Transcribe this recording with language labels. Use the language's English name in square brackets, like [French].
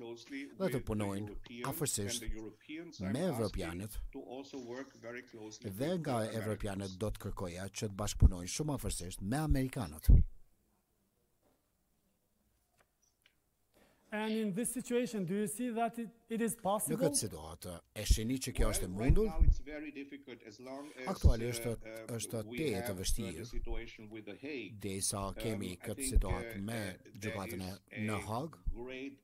[Albanian] dhe të punojnë afërsisht me evropianët dhe nga evropianët do të kërkoja që të bashkëpunojnë shumë afërsisht me amerikanët. [English] And in this situation, do you see that it is possible? [Albanian] Në këtë situatë, e shihni që kjo është e mundur? Aktualisht është te e vështirë, derisa kemi këtë situatë me gjykatën në Hagë.